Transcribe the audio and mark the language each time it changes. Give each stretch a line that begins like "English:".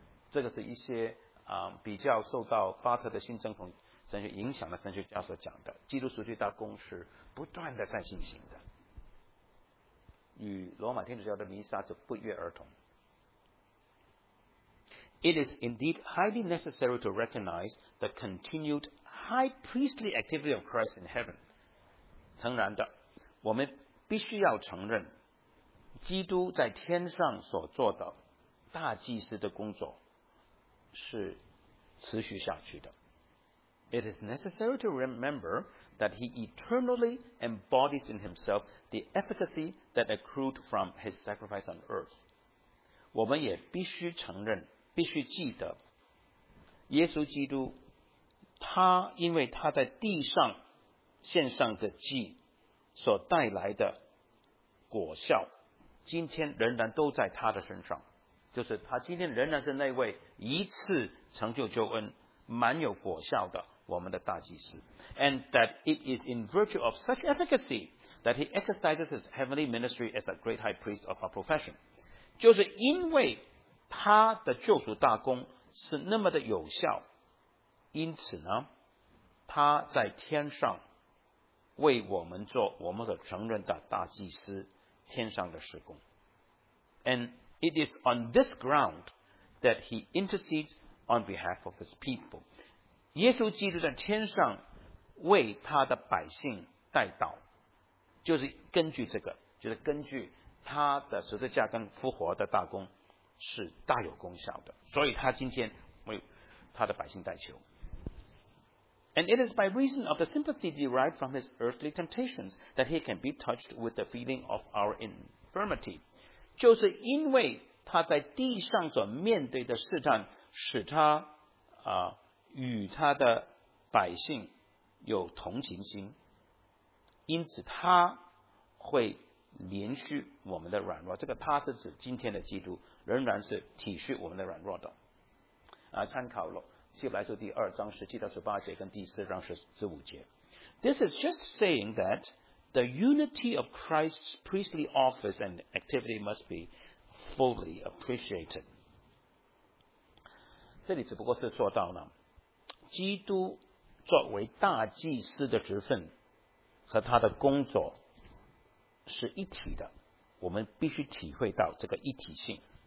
Chinese: 这个是一些比较受到巴特的新政府神学影响的神学家所讲的，基督赎罪大功是不断的在进行的，与罗马天主教的弥撒是不约而同。
English: It is indeed highly necessary to recognize the continued high priestly activity of Christ in heaven.
Chinese: 诚然的，我们必须要承认基督在天上所做的大祭司的工作是持续下去的。
English: It is necessary to remember that he eternally embodies in himself the efficacy that accrued from his sacrifice on earth.
Chinese: 我们也必须承认，必须记得，耶稣基督，他因为他在地上献上的祭所带来的果效，今天仍然都在他的身上，就是他今天仍然是那位一次成就救恩蛮有果效的我们的大祭司。
English: And that it is in virtue of such efficacy that he exercises his heavenly ministry as the great high priest of our profession，
Chinese: 就是因为他的救赎大功是那么的有效，因此呢，他在天上为我们做我们所承认的大祭司，天上的事工。
English: And it is on this ground that he intercedes on behalf of his people。
Chinese: 耶稣基督在天上为他的百姓代祷，就是根据这个，就是根据他的十字架跟复活的大功是大有功效的，所以他今天为他的百姓代求。
English: And it is by reason of the sympathy derived from his earthly temptations that he can be touched with the feeling of our infirmity.
Chinese: 就是因为他在地上所面对的试探使他与他的百姓有同情心，因此他会怜恤我们的软弱。这个他是指今天的基督仍然是体恤我们的软弱的。参考了希伯来书第二章十七到十八节跟第四章十五节。
English: This is just saying that the unity of Christ's priestly office and activity must be fully appreciated.
Chinese: 这里只不过是说到呢，基督作为大祭司的职分和他的工作是一体的，我们必须体会到这个一体性。